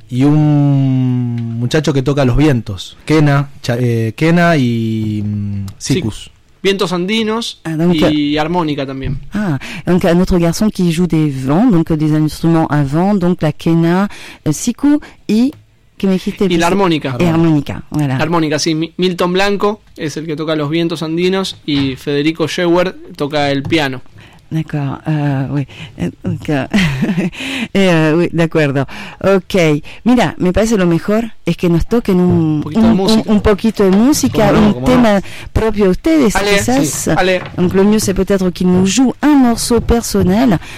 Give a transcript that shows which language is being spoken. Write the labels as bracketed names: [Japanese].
[Spanish] Y un muchacho que toca los vientos. Kena, Kena y Sikus. Sí. Vientos andinos ah, donc, y armónica también. [French] Ah, donc un autre garçon qui joue des vents, donc des instruments à vent, donc la quena, siku y... [Spanish] ¿Qué me dijiste? Y la armónica. Y armónica, voilà. Armónica, sí. Milton Blanco es el que toca los vientos andinos y Federico Schauer toca el piano. [French] D'accord, oui. Donc, oui, d'accord. Ok. [Spanish] Mira, me parece lo mejor es que nos toquen un poquito de música, un tema propio de ustedes, [French] allez, [Spanish] quizás. Sí, allez. [French] Donc, lo mieux, c'est peut-être qu'ils nous jouent un morceau personnel.